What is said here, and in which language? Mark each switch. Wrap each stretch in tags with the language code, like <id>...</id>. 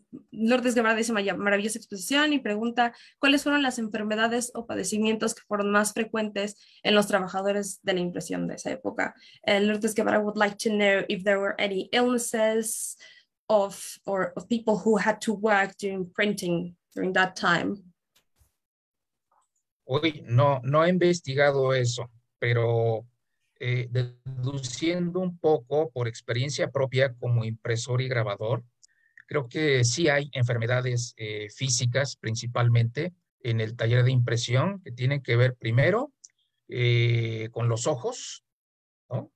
<es>Lourdes Guevara dice, maravillosa exposición, y pregunta, ¿cuáles fueron las enfermedades o padecimientos que fueron más frecuentes en los trabajadores de la impresión de esa época?</es> <en>Lourdes Guevara would like to know if there were any illnesses of people who had to work during printing during that time.</en> <es>Uy, no he investigado eso, pero deduciendo un poco por experiencia propia como impresor y grabador, creo que sí hay enfermedades físicas principalmente en el taller de impresión, que tienen que ver primero con los ojos, ¿no?</es>